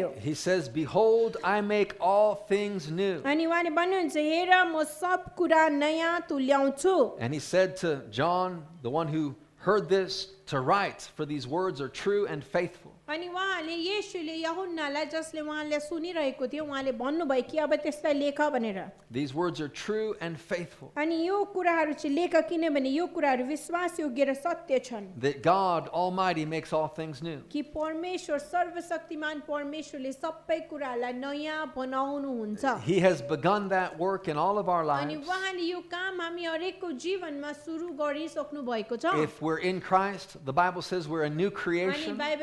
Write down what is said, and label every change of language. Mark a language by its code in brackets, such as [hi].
[en] He says, "Behold, I make all things new." And he said to John, the one who heard this, to write, for these words are true and faithful. [ne] अनि वहाँले येशूले यहोन्नालाई जसले वहाँले सुनिरहेको थियो वहाँले भन्नुभयो कि अब त्यसलाई लेख भनेर [en] These words are true and faithful. [ne] अनि यो कुराहरू चाहिँ लेख किनभने यो कुराहरू विश्वासयोग्य र सत्य छन् [en] That God Almighty makes all things new. [ne] कि परमेश्वर सर्वशक्तिमान परमेश्वरले सबै कुरालाई नयाँ बनाउनु हुन्छ [en] He has begun that work in all of our lives. [ne] अनि वहाँले यो काम हामी हरेकको जीवनमा सुरु गरिसक्नु भएको छ [en] If we're in Christ, the Bible says we're a new creation.